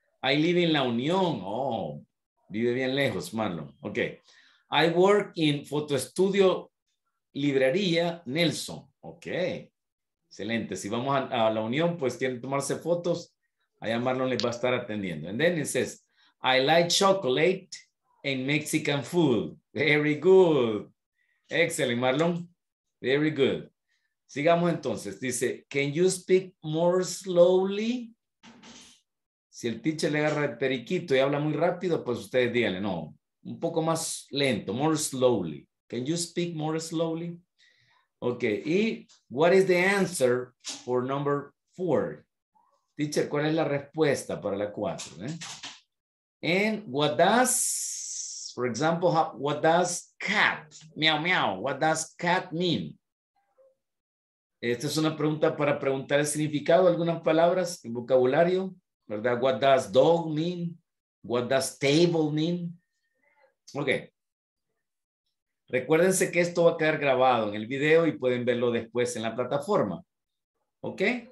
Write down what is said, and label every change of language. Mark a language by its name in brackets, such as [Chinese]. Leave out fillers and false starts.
[English] I live in La Unión. [Spanish] Oh, vive bien lejos, [English] Marlon. Ok. I work in Photo Studio Librería Nelson. Ok. Excelente. [Spanish] Si vamos a La Unión, pues quieren tomarse fotos, allá Marlon les va a estar atendiendo. [English] And then it says, I like chocolate and Mexican food. Very good. Excellent, Marlon. Very good. [Spanish] Sigamos entonces. [English] Dice, can you speak more slowly? [Spanish] Si el teacher le agarra el periquito y habla muy rápido, pues ustedes díganle, no, un poco más lento, [English] more slowly. Can you speak more slowly? Okay, y what is the answer for number 4? Teacher, [Spanish] ¿cuál es la respuesta para la 4? [English] And what does, for example, what does cat, meow, meow, what does cat mean? [Spanish] Esta es una pregunta para preguntar el significado de algunas palabras en vocabulario, ¿verdad? [English] What does dog mean? What does table mean? Okay. [Spanish] Recuérdense que esto va a quedar grabado en el video y pueden verlo después en la plataforma. ¿Ok?